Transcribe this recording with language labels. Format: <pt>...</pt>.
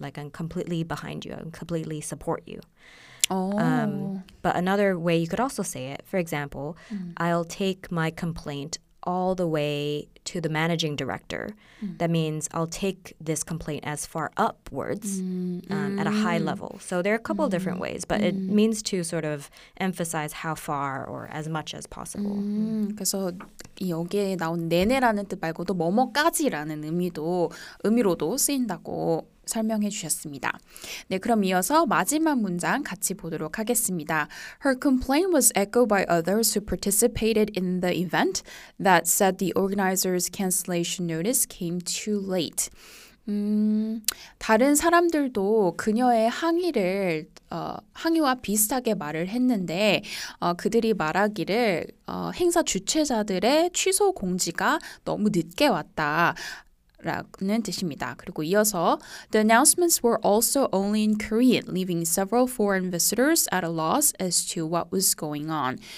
<en>Like, I'm completely behind you. I'm completely support you. But another way you could also say it, for example, I'll take my complaint all the way to the managing director. That means I'll take this complaint as far upwards at a high level. So there are a couple of different ways, but it means to sort of emphasize how far or as much as possible.</en> <ko>그래서 여기에 나온 내내라는 뜻 말고도 뭐뭐까지라는 의미로도 쓰인다고 설명해 주셨습니다. 네, 그럼 이어서 마지막 문장 같이 보도록 하겠습니다.</ko> <en>Her complaint was echoed by others who participated in the event that said the organizer's cancellation notice came too late.</en> <ko>다른 사람들도 그녀의 항의를 항의와 비슷하게 말을 했는데 그들이 말하기를 행사 주최자들의 취소 공지가 너무 늦게 왔다. 라는 뜻입니다. 그리고 이어서</ko> <en>The announcements were also only in Korean, leaving several foreign visitors at a loss as to what was going on.</en>